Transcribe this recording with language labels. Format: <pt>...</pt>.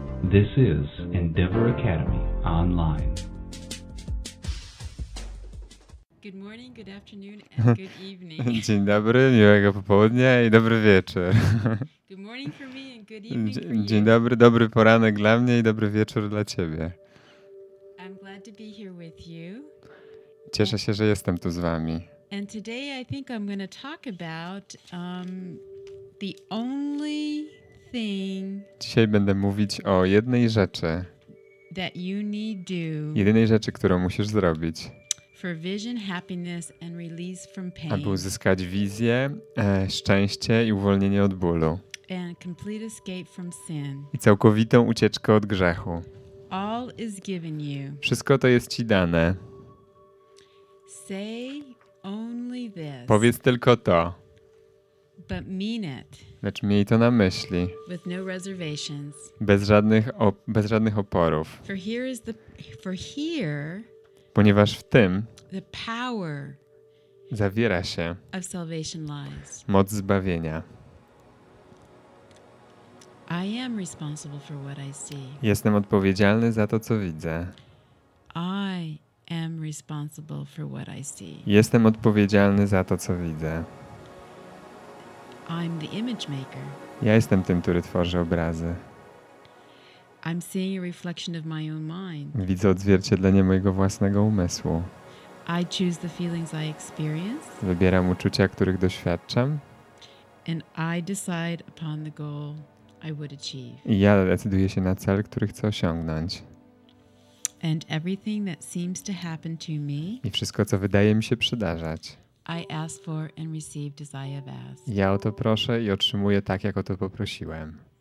<en>This is Endeavor Academy Online. Good morning, good afternoon, and good evening.</en> <pl>Dzień dobry, miłego popołudnia i dobry wieczór.</pl> <en>Good morning for me and good evening for you.</en> <pl>Dzień dobry, dobry poranek dla mnie i dobry wieczór dla ciebie.</pl> <en>I'm glad to be here with you.</en> <pl>Cieszę się, że jestem tu z wami.</pl> <en>And today I think I'm going to talk about the only thing.</en> <pl>Dzisiaj będę mówić o jednej rzeczy.</pl> <en>That you need do.</en> <pl>Jedynej rzeczy, którą musisz zrobić.</pl> <en>For vision, happiness and release from pain.</en> <pl>Aby uzyskać wizję, szczęście i uwolnienie od bólu.</pl> <en>And complete escape from sin.</en> <pl>I całkowitą ucieczkę od grzechu.</pl> <en>All is given you.</en> <pl>Wszystko to jest ci dane.</pl> <en>Say only this.</en> <pl>Powiedz tylko to.</pl> <en>But mean it.</en> <pl>Lecz miej to na myśli.</pl> <en>With no reservations.</en> <pl>Bez żadnych oporów.</pl> <en>For here is the, for here,</en> <pl>ponieważ w tym</pl> <en>the power</en> <pl>zawiera się</pl> <en>of salvation lies.</en> <pl>Moc zbawienia.</pl> <en>I am responsible for what I see.</en> <pl>Jestem odpowiedzialny za to, co widzę.</pl> <en>I am responsible for what I see.</en> <pl>Jestem odpowiedzialny za to, co widzę.</pl> <en>I'm the image maker.</en> <pl>Ja jestem tym, który tworzy obrazy.</pl> <en>I'm seeing a reflection of my own mind.</en> <pl>Widzę odzwierciedlenie mojego własnego umysłu.</pl> <en>I choose the feelings I experience.</en> <pl>Wybieram uczucia, których doświadczam.</pl> <en>And I decide upon the goal I would achieve.</en> <pl>I ja decyduję się na cel, który chcę osiągnąć.</pl> <en>And everything that seems to happen to me.</en> <pl>I wszystko, co wydaje mi się przydarzać.</pl> <en>I ask for and received as I have asked.</en> <pl>Ja o to proszę i otrzymuję tak, jak o to poprosiłem.</pl>